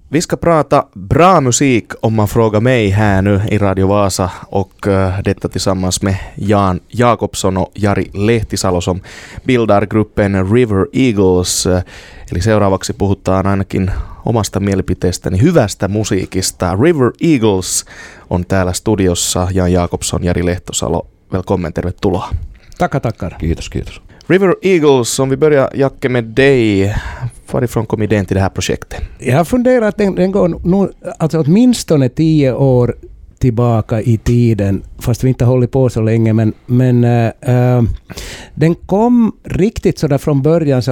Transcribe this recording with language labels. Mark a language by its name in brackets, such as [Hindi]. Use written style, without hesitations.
[Swedish] Vi ska prata bra musik om man frågar mig här nu i Radio Vasa och detta tillsammans med Jan Jakobsson och Jari Lehtisalo som bildar gruppen River Eagles. [Finnish] Eli seuraavaksi puhutaan ainakin omasta mielipiteestäni hyvästä musiikista. River Eagles on täällä studiossa. [Swedish] Jan Jakobsson, Jari Lehtosalo, välkommen, [Finnish] tervetuloa. [Swedish] Tackar. [Finnish] Kiitos, kiitos. [Swedish] River Eagles, om vi börjar Jacke med dig, varifrån kom idén till det här projektet? Jag har funderat att den går nu, alltså åtminstone 10 år tillbaka i tiden, fast vi inte hållit på så länge, men den kom riktigt sådär från början.